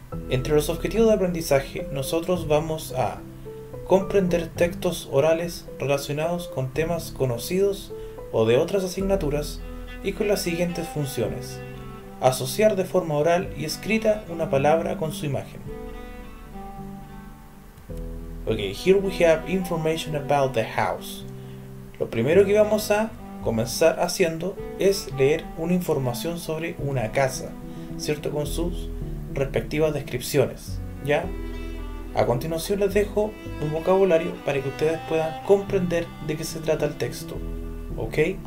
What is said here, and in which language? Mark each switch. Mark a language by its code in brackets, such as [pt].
[es] Entre los objetivos de aprendizaje, nosotros vamos a comprender textos orales relacionados con temas conocidos o de otras asignaturas y con las siguientes funciones: asociar de forma oral y escrita una palabra con su imagen. [en] Okay, here we have information about the house. [es] Lo primero que vamos a comenzar haciendo es leer una información sobre una casa, ¿cierto? Con sus respectivas descripciones, ¿ya? A continuación les dejo un vocabulario para que ustedes puedan comprender de qué se trata el texto, ¿ok?